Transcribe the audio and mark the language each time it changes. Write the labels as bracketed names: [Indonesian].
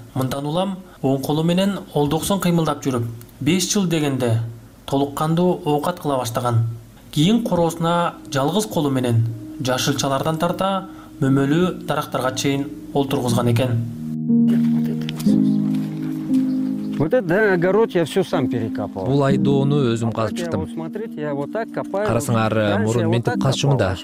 [Kyrgyz] Мындан улам оң колу менен 90 кыймылдап жүрүп, 5 жыл дегенде толуккандуу оокат кыла баштаган. Кийин короосуна жалгыз колу менен жашылчалардан тарта мөмөлүү дарактарга чейин олтургузган экен. [Russian] Вот это, да, огород я все сам перекапывал. [Kyrgyz] Бул айдоону өзүм казып чыктым. Карасыңар, мурун ментип каччумун да.